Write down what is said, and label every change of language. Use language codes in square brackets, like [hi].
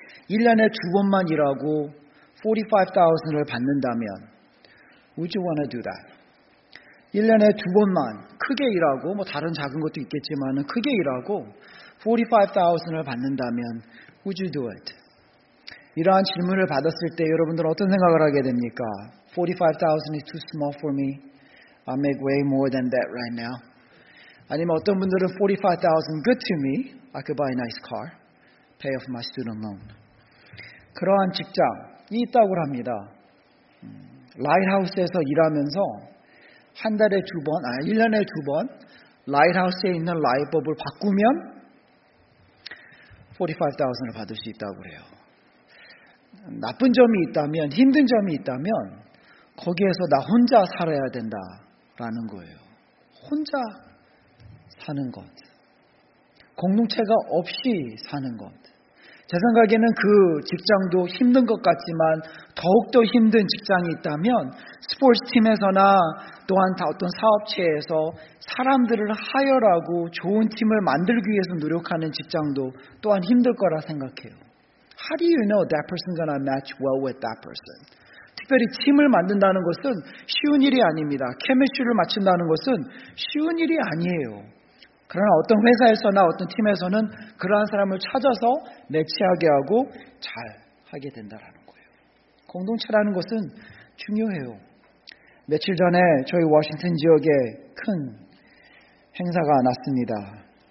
[ko] 1년에 두 번만 일하고 45,000을 받는다면 [en] Would you want to do that? [ko] 1년에 두 번만 크게 일하고 뭐 다른 작은 것도 있겠지만 크게 일하고 45,000을 받는다면 [en] Would you do it? [ko] 이러한 질문을 받았을 때 여러분들은 어떤 생각을 하게 됩니까? [en] 45,000 is too small for me. I make way more than that right now. [ko] 아니면 어떤 분들은 [en] 45,000 good to me. I could buy a nice car. Pay off my student loan. [ko] 그러한 직장이 있다고 합니다. 라이트하우스에서 일하면서 한 달에 두 번, 아니 1년에 두 번 라이트하우스에 있는 라이트법을 바꾸면 45,000을 받을 수 있다고 그래요. 나쁜 점이 있다면, 힘든 점이 있다면 거기에서 나 혼자 살아야 된다라는 거예요. 혼자 사는 것, 공동체가 없이 사는 것. 제 생각에는 그 직장도 힘든 것 같지만 더욱더 힘든 직장이 있다면 스포츠팀에서나 또한 어떤 사업체에서 사람들을 하열하고 좋은 팀을 만들기 위해서 노력하는 직장도 또한 힘들 거라 생각해요. [en] How do you know that person gonna match well with that person? [ko] 특별히 팀을 만든다는 것은 쉬운 일이 아닙니다. 케미스트리를 맞춘다는 것은 쉬운 일이 아니에요. 그러나 어떤 회사에서나 어떤 팀에서는 그러한 사람을 찾아서 매치하게 하고 잘 하게 된다는 거예요. 공동체라는 것은 중요해요. 며칠 전에 저희 워싱턴 지역에 큰 행사가 났습니다.